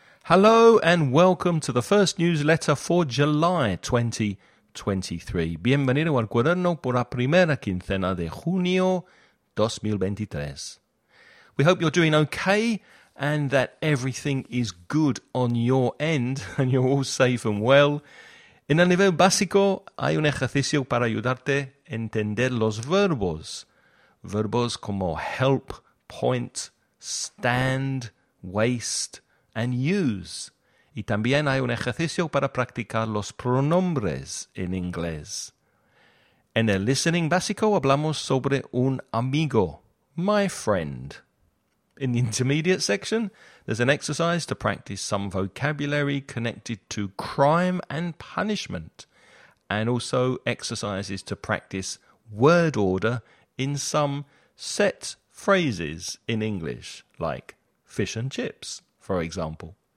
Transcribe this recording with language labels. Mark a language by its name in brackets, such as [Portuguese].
[English] Hello and welcome to the first newsletter for July 2023. [Spanish] Bienvenido al cuaderno por la primera quincena de junio 2023. [English] We hope you're doing okay and that everything is good on your end and you're all safe and well. [Spanish] En el nivel básico hay un ejercicio para ayudarte a entender los verbos. Verbos como [English] help, point, stand, waste, and use. [Spanish] Y también hay un ejercicio para practicar los pronombres en inglés. En el listening básico hablamos sobre un amigo, [English] my friend. In the intermediate section, there's an exercise to practice some vocabulary connected to crime and punishment, and also exercises to practice word order in some set phrases in English, like fish and chips, for example.